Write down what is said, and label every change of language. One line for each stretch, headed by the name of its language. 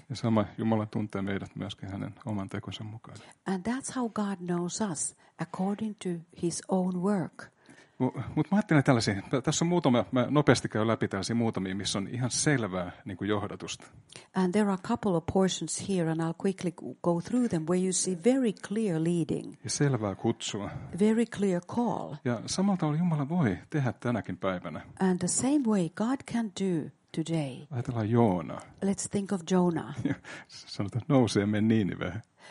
Finnish: Ja sama Jumala tuntee meidät myöskin hänen oman tekonsa mukaan.
English: And that's how God knows us, according to his own work.
Finnish: Mut mä ajattelin tällaisia, tässä on muutama, mä nopeasti käyn läpi tällaisia muutamia, missä on ihan selvää niin kuin johdatusta.
English: And there are a couple of portions here and I'll quickly go through them where you see very clear leading.
Finnish: Ja selvää kutsua.
English: Very clear call.
Finnish: Ja samalta tavalla Jumala voi tehdä tänäkin päivänä.
English: And the same way God can do today.
Finnish: Ajatellaan Joonaa.
English: Let's think of Jonah.
Finnish: Sanotaan, että nousee ja mene Niiniveen.